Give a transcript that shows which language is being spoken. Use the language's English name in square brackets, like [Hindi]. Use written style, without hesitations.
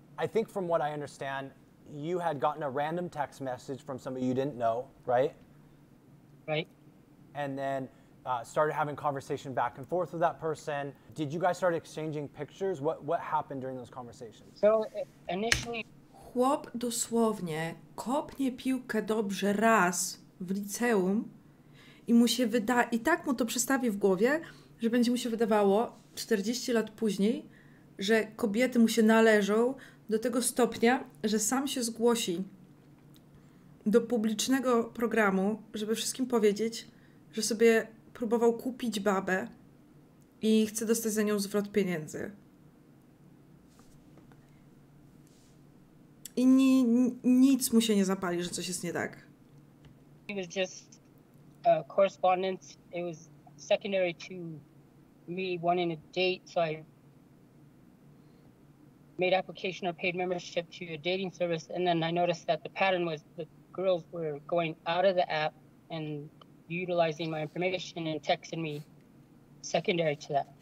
[English] I think from what I understand, you had gotten a random text message from somebody you didn't know, right? Right. And then started having conversation back and forth with that person. Did you guys start exchanging pictures? What happened during those conversations? So initially... [Polish] Chłop dosłownie kopnie piłkę dobrze raz w liceum i mu się wyda... I tak mu to przestawi w głowie, że będzie mu się wydawało 40 lat później, że kobiety mu się należą do tego stopnia, że sam się zgłosi do publicznego programu, żeby wszystkim powiedzieć, że sobie próbował kupić babę i chce dostać za nią zwrot pieniędzy. I nic mu się nie zapali, że coś jest nie tak. [English] It was just correspondence. It was secondary to me wanting a date, so I made application or paid membership to a dating service, and then I noticed that the pattern was the girls were going out of the app and utilizing my information and texting me secondary to that.